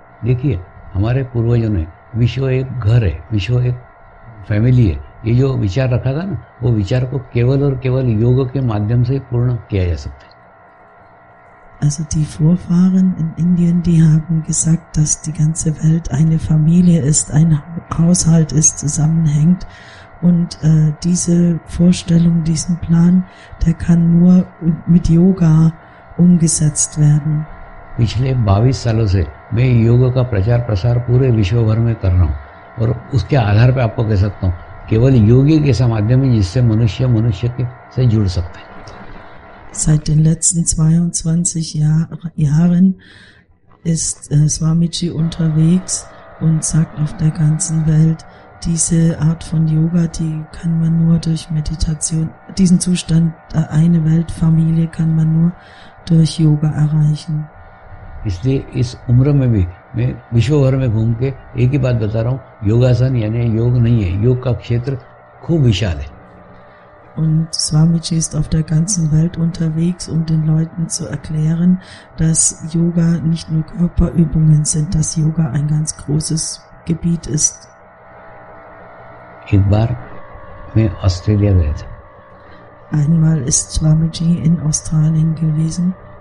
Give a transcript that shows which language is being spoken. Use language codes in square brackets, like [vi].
[hi] देखिए, हमारे पूर्वजों ने विश्व एक घर है, विश्व एक फैमिली है, ये जो विचार रखा था ना, वो विचार को केवल और केवल योग के माध्यम से पूर्ण किया जा सकता है। [de] Also die Vorfahren in Indien, die haben gesagt, dass die ganze Welt eine Familie ist, ein Haushalt ist, zusammenhängt. Und diese Vorstellung, diesen Plan, der kann nur mit Yoga umgesetzt werden. [hi] पिछले 22 सालों से मैं योग का प्रचार प्रसार पूरे विश्व भर में कर रहा हूँ, और उसके आधार पर आपको कह सकता हूँ, केवल योगी के माध्यम में जिससे मनुष्य मनुष्य से जुड़ सकते हैं। [de] Seit den letzten 22 Jahren ist Swamiji unterwegs und sagt auf der ganzen Welt, diese Art von Yoga, die kann man nur durch Meditation, diesen Zustand, eine Weltfamilie kann man nur durch Yoga erreichen. [hi] इसलिए इस उम्र में भी मैं विश्व भर में घूम के एक ही बात बता रहा हूँ, योगासन यानी योग नहीं है, योग का क्षेत्र खूब विशाल है। [de] Und Swamiji ist auf der ganzen Welt unterwegs, um den Leuten zu erklären, dass Yoga nicht nur Körperübungen sind, dass Yoga ein ganz großes Gebiet ist. Einmal ist Swamiji in Australien gewesen.